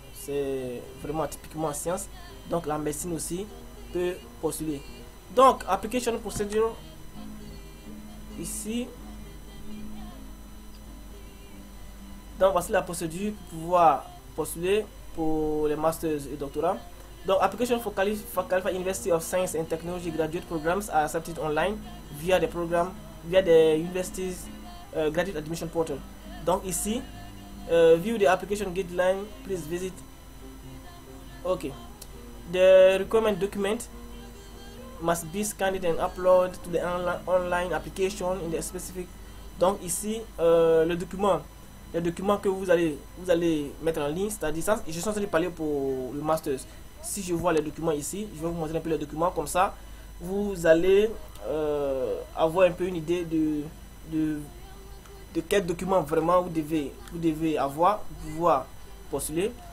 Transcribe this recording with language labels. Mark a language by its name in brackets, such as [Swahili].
[French] C'est vraiment typiquement science. Donc, la médecine aussi peut postuler. Donc, [English] application procedure. [French] Ici, donc voici la procédure pour pouvoir postuler pour les masters et doctorats. [English] Donc, application for Khalifa University of Science and Technology graduate programs are accepted online via the program via the university's graduate admission portal. [French] Donc ici, [English] view the application guideline. Please visit. Ok. The requirement document must be scanned and upload to the online application in the specific. [French] Donc ici le document que vous allez mettre en ligne, c'est à distance. Je suis en train de parler pour le master's. Si je vois les documents ici, je vais vous montrer un peu les documents, comme ça vous allez avoir un peu une idée de quel document vraiment vous devez avoir pour pouvoir postuler.